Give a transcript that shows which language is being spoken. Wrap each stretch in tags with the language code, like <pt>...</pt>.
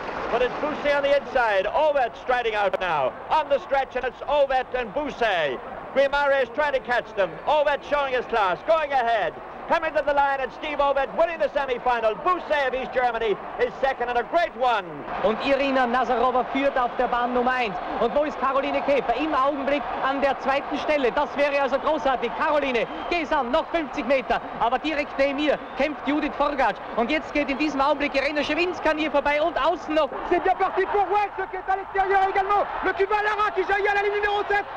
<en>But it's Busse on the inside. Ovet striding out now. On the stretch, and it's Ovet and Busse. Guimara is trying to catch them. Ovet showing his class, going ahead. Coming to the line, and Steve Ovet winning the semi-final. Busse of East Germany is second, and a great one.</en> <de>Und Irina Nazarova führt auf der Bahn Nummer 1. Und wo ist Caroline Käfer? Im Augenblick an der zweiten Stelle. Das wäre also großartig. Caroline, geh's an, noch 50 Meter. Aber direkt neben ihr kämpft Judith Forgatsch. Und jetzt geht in diesem Augenblick Irene Schewinskan hier vorbei und außen noch.</de> <fr>C'est bien parti pour West, qui est à l'extérieur également. Le Cuba Lara qui jaillit à la ligne numéro 7.</fr>